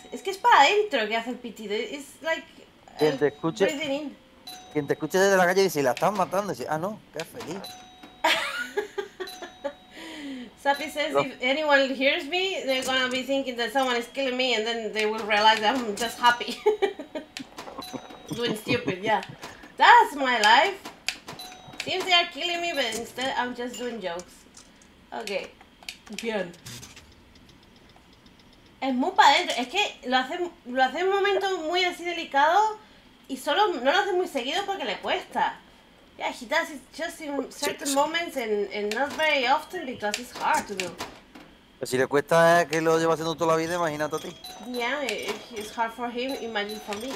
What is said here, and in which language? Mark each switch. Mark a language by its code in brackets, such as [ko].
[es] Es que es para adentro que hace el pitido. Es [en] like. [es] Quien te escuche. Quien te escuche desde la calle dice: la están matando. Dice: ah, no, qué feliz. [en] Sappy says if anyone hears me, they're gonna be thinking that someone is killing me, and then they will realize that I'm just happy. Doing stupid, yeah. That's my life. seems they are killing me, but instead I'm just doing jokes. Okay. [es] Bien. Es muy para adentro. Es que lo hace un momento muy así delicado y solo no lo hace muy seguido porque le cuesta. [en] Yeah, he does it just in certain moments and not very often because it's hard to do. [es] Si le cuesta que lo lleva haciendo toda la vida, imagínate a ti. [en] Yeah, if it's hard for him, imagine for me.